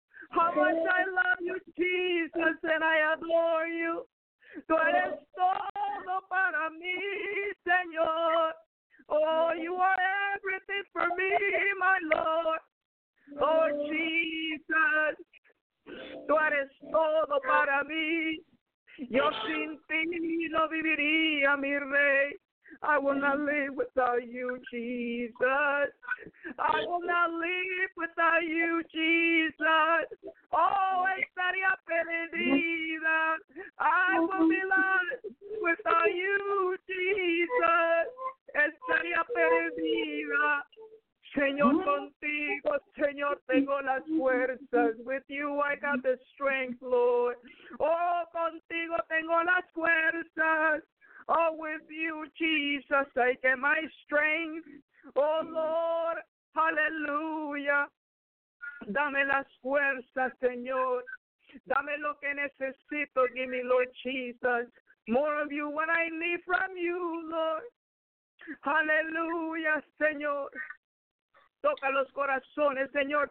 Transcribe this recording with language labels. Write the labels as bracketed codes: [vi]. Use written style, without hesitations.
[en] How much I love you, Jesus, and I adore you. [es] Tú eres todo para mí, Señor. [en] Oh, you are everything for me, my Lord. [es] Oh, Jesus, tú eres todo para mí. Yo sin ti no viviría, mi rey. [en] I will not live without you, Jesus. I will not live without you, Jesus. Oh, [es] estaría perdida. [en] I will be lost without you, Jesus. [es] Estaría perdida. Señor, contigo, Señor, tengo las fuerzas. [en] With you, I got the strength, Lord. [es] Oh, contigo, tengo las fuerzas. [en] Oh, with you, Jesus, I get my strength. Oh, Lord, [es] hallelujah. Dame las fuerzas, Señor. Dame lo que necesito. [en] Give me, Lord Jesus, more of you, what I need from you, Lord. [es] Hallelujah, Señor. Toca los corazones, Señor.